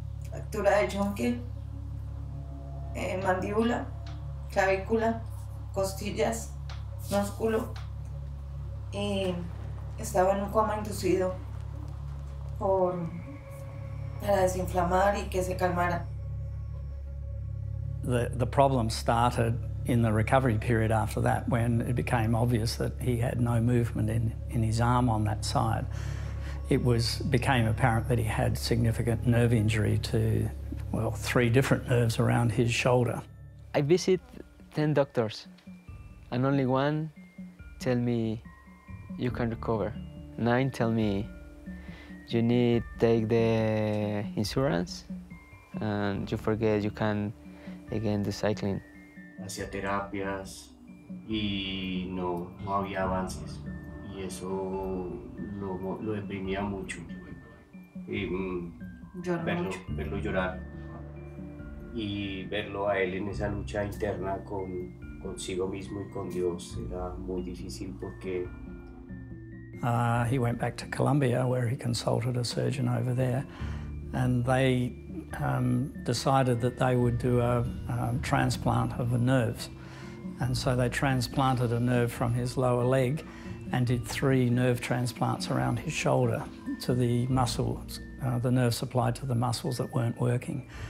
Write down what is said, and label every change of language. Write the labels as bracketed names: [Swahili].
[Spanish] Fractura de yunque, mandíbula, clavícula, costillas, músculo y estaba en un coma inducido para desinflamar y que se calmara. [English] The problem started in the recovery period after that when it became obvious that he had no movement in his arm on that side. It became apparent that he had significant nerve injury to, well, three different nerves around his shoulder. I visit 10 doctors, and only one tell me you can recover. Nine tell me you need to take the insurance, and you forget you can again do cycling. [Spanish] Hacía terapias y no, no había avances. Y eso lo deprimía mucho. Y verlo llorar. Y verlo a él en esa lucha interna consigo mismo y con Dios era muy difícil porque. [English] He went back to Colombia where he consulted a surgeon over there. And they decided that they would do a transplant of the nerves. And so they transplanted a nerve from his lower leg and did three nerve transplants around his shoulder to the muscles, the nerve supply to the muscles that weren't working.